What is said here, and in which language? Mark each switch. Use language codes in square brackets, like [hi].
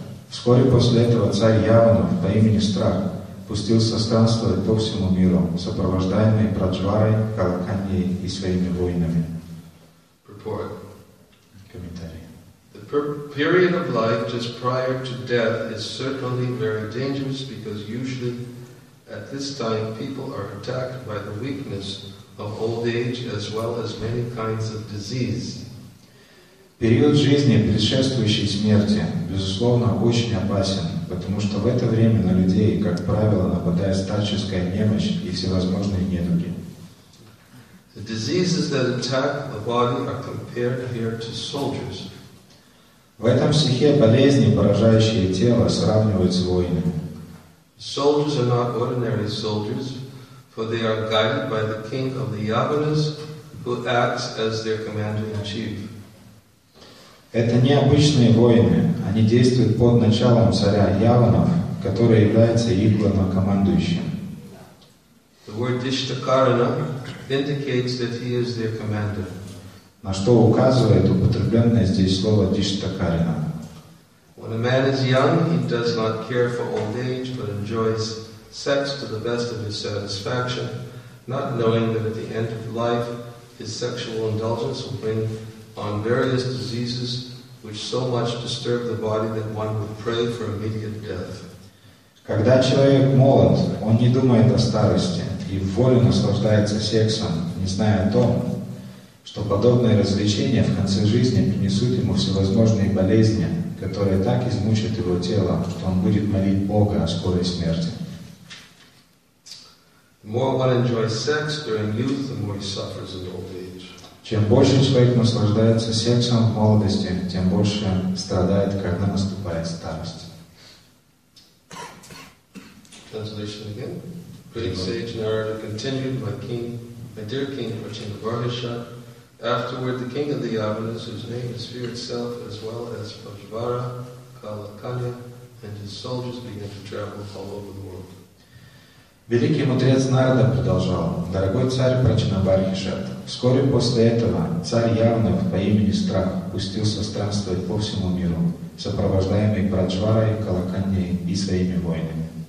[ru] Вскоре после этого царь Явана по имени Страх пустился странствовать по всему миру, сопровождаемый Праджварой, Калаканьей и своими воинами. [en] Report. [ru] Комментарий. [en] The period of life just prior to death is certainly very dangerous because usually at this time people are attacked by the weakness of old age as well as many kinds of disease. [ru] Период жизни, предшествующий смерти, безусловно, очень опасен, потому что в это время на людей, как правило, нападает старческая немощь и всевозможные недуги. [en] The diseases that attack the body are compared here to soldiers. [ru] В этом стихе болезни, поражающие тело, сравнивают с воинами. [en] Soldiers are not ordinary soldiers, for they are guided by the king of the Yavanas, who acts as their commander-in-chief. [ru] Это не обычные воины, они действуют под началом царя Яванов, который является их главнокомандующим. [en] The word Dishtakarana indicates that he is their commander. [ru] На что указывает употребленное здесь слово Dishtakarana. [en] When a man is young, he does not care for old age, but enjoys sex to the best of his satisfaction, not knowing that at the end of life his sexual indulgence will bring on various diseases which so much disturb the body that one would pray for immediate death. [ru] Когда человек молод, он не думает о старости и вволю наслаждается сексом, не зная о том, что подобные развлечения в конце жизни принесут ему всевозможные болезни, которые так измучат его тело, что он будет молить Бога о скорой смерти. [en] The more one enjoys sex during youth, the more he suffers in old age. [ru] Чем больше человек наслаждается сексом в молодости, тем больше страдает, когда наступает старость. [en] Translation again. Great sage Narada continued, my dear king, Prachinabharisha. Afterward, the king of the Yavanas, whose name is fear itself, as well as Prajvara, Kalakanya, and his soldiers began to travel all over the world. [ru] Великий мудрец Нарада продолжал, «Дорогой царь Прачинабархишат, вскоре после этого царь Явнов по имени Страх пустился странствовать по всему миру, сопровождаемый Праджварой, Калаканьей и своими воинами».